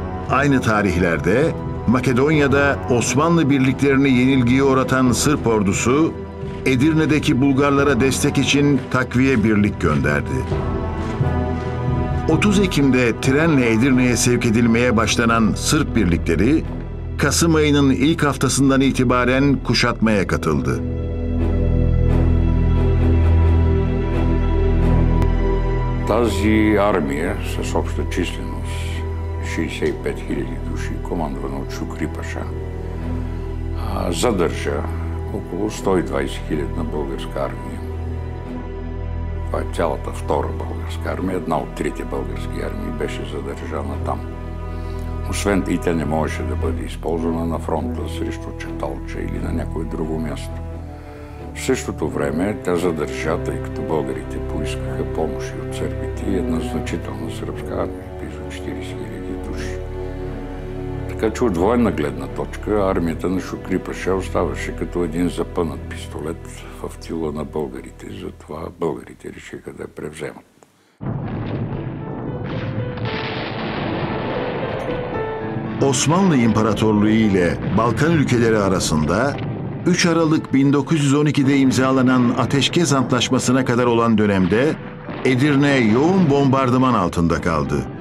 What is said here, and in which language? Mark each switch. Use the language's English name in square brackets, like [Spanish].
[Turkish] Aynı tarihlerde Makedonya'da Osmanlı birliklerini yenilgiye uğratan Sırp ordusu Edirne'deki Bulgarlara destek için takviye birlik gönderdi. 30 Ekim'de trenle Edirne'ye sevk edilmeye başlanan Sırp birlikleri Kasım ayının ilk haftasından itibaren kuşatmaya katıldı. [Bulgarian] Тази армия с обща численост 65 000 души, командвана от Шукри Паша, задържа около 120 000 на българска армия. Това е цялата втора българска армия, една от трите български армии беше задържана там. Освен и тя не можеше да бъде използвана на фронта срещу Чаталча или на някое друго място. В същото време тя задържа, тъй като българите поискаха помощ от сърбите и една значителна сръбска армия, близо 40 000 души. Така че от военна гледна точка армията на Шукри Паша оставаше като един запънат пистолет в тила на българите. Затова българите решиха да я превземат. [Turkish] Osmanlı İmparatorluğu ile Balkan ülkeleri arasında 3 Aralık 1912'de imzalanan Ateşkes Antlaşması'na kadar olan dönemde Edirne yoğun bombardıman altında kaldı.